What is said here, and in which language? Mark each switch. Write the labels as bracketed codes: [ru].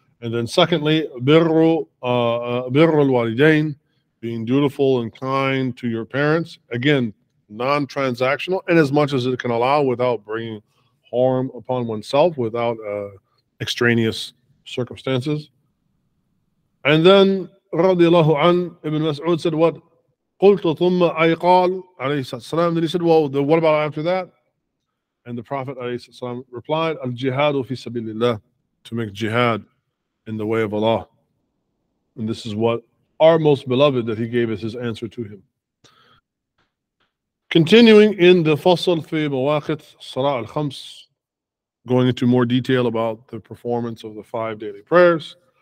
[en] And then secondly, birru al-walidain, being dutiful and kind to your parents. Again, non-transactional, and as much as it can allow without bringing harm upon oneself, without extraneous circumstances. And then, radiallahu an, Ibn Mas'ud said what? [ar] قلت ثم أيقال عليه الصلاة والسلام. [en] Then he said, well, what about after that? And the Prophet عليه الصلاة والسلام replied, [ar] الجهاد في سبيل الله, [en] to make jihad in the way of Allah. And this is what our most beloved, that he gave us his answer to him. Continuing in the [ar] فصل في مواقت صلاة الخمس, [en] going into more detail about the performance of the five daily prayers.